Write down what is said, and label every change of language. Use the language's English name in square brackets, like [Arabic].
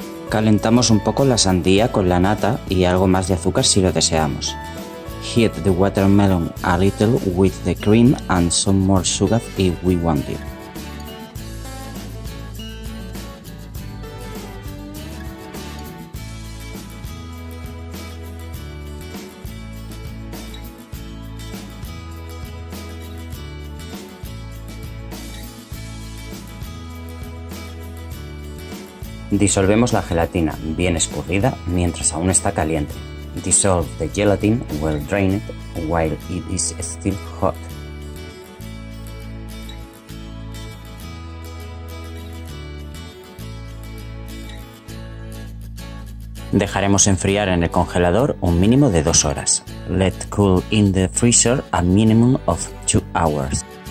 [Spanish] Calentamos un poco la sandía con la nata y algo más de azúcar si lo deseamos. [English] Heat the watermelon a little with the cream and some more sugar if we want it. [Spanish] Disolvemos la gelatina bien escurrida mientras aún está caliente. [English] Dissolve the gelatin well drained while it is still hot. [Spanish] Dejaremos enfriar en el congelador un mínimo de 2 horas. [English] Let cool in the freezer a minimum of 2 hours.